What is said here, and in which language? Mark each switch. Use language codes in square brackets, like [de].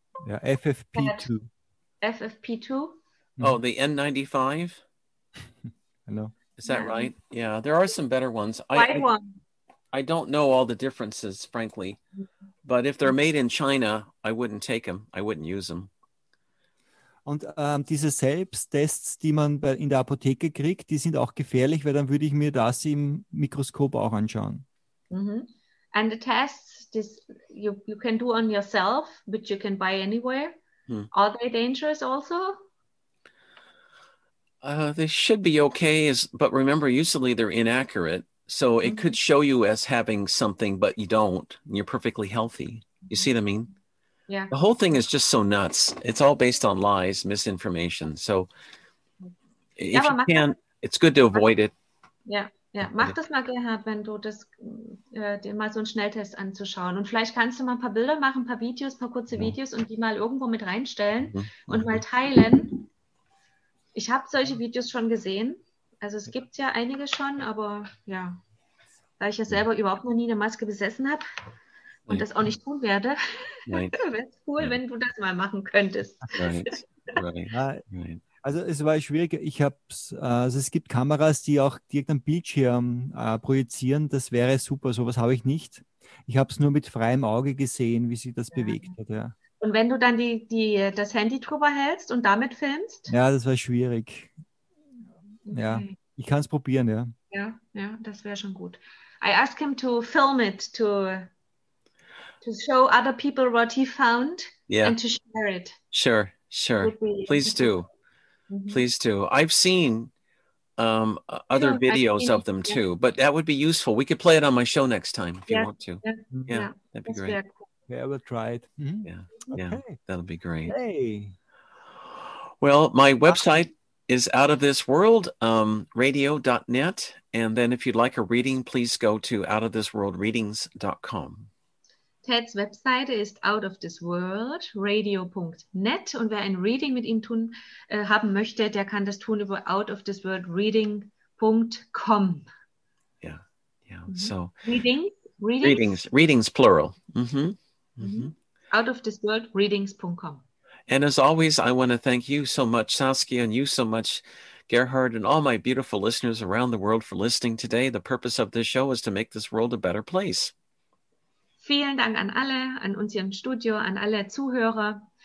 [en] Yeah, FFP2. FFP2? Oh, the N95? I know. Is that right? Yeah, there are some better ones. I don't know all the differences, frankly. But if they're made in China, I wouldn't take them. I wouldn't use them. [de] Und diese Selbsttests, die man in der Apotheke kriegt, die sind auch gefährlich, weil dann würde ich mir das im Mikroskop auch anschauen. Mm-hmm. [en] And the tests this you can do on yourself, which you can buy anywhere. Hmm. Are they dangerous also? They should be okay, but remember, usually they're inaccurate. So it could show you as having something, but you don't. And you're perfectly healthy. You see what I mean? Yeah. The whole thing is just so nuts. It's all based on lies, misinformation. So if you can, it's good to avoid it. Yeah. [de] Ja, mach das mal, Gerhard, wenn du das, dir mal so einen Schnelltest anzuschauen. Und vielleicht kannst du mal ein paar Bilder machen, ein paar Videos, ein paar kurze Videos und die mal irgendwo mit reinstellen und mal teilen. Ich habe solche Videos schon gesehen. Also es gibt ja einige schon, aber ja, da ich ja selber überhaupt noch nie eine Maske besessen habe und das auch nicht tun werde, wäre es cool, wenn du das mal machen könntest. Right. Also es war schwierig. Ich hab's, also es gibt Kameras, die auch direkt am Bildschirm projizieren. Das wäre super. Sowas habe ich nicht. Ich habe es nur mit freiem Auge gesehen, wie sich das bewegt hat. Ja. Und wenn du dann das Handy drüber hältst und damit filmst? Ja, das war schwierig. Okay. Ja, ich kann es probieren, ja. Ja, das wäre schon gut. [en] I asked him to film it, to show other people what he found and to share it. Sure, sure. Please do. Please do. I've seen other videos of them too, but that would be useful. We could play it on my show next time if you want to. Yeah, that'd be great. Yeah, we'll try it. Mm-hmm. Yeah, yeah, that'll be great. Hey. Well, my website is outofthisworld, radio.net. And then if you'd like a reading, please go to outofthisworldreadings.com. [de] Ted's Webseite ist outofthisworldradio.net und wer ein Reading mit ihm tun haben möchte, der kann das tun über outofthisworldreading.com. [en] So readings plural. Out of this world readings.com. And as always, I want to thank you so much, Saskia, and you so much, Gerhard, and all my beautiful listeners around the world for listening today. The purpose of this show is to make this world a better place. [de] Vielen Dank an alle, an uns hier im Studio, an alle Zuhörer.